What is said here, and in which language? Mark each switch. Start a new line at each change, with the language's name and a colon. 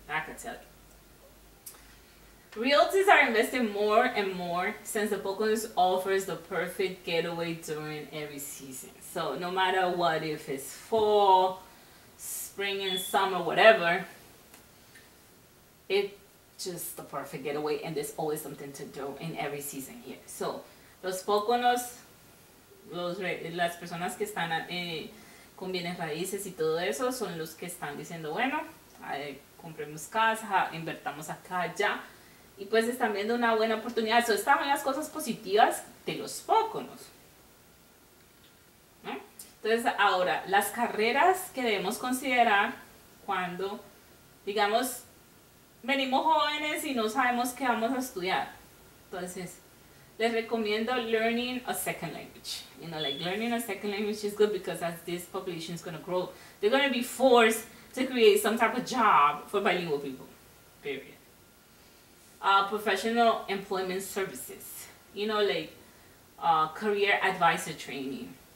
English: That could tell you. Realtors are investing more and more since the Poconos offers the perfect getaway during every season. So no matter what, if it's fall, spring and summer, whatever, it's just the perfect getaway, and there's always something to do in every season here.
Spanish: So los Poconos, las personas que están con bienes raíces y todo eso, son los que están diciendo, bueno, compremos casa, invertamos acá, allá, y pues están viendo una buena oportunidad. Eso están las cosas positivas de los Poconos. ¿No? Entonces, ahora, las carreras que debemos considerar cuando, digamos, venimos jóvenes y no sabemos qué vamos a estudiar. Entonces, les recomiendo
English: learning a second language. You know, like learning a second language is good because as this population is going to grow, they're going to be forced to create some type of job for bilingual people. Period. Professional employment services. You know, like career advisor training.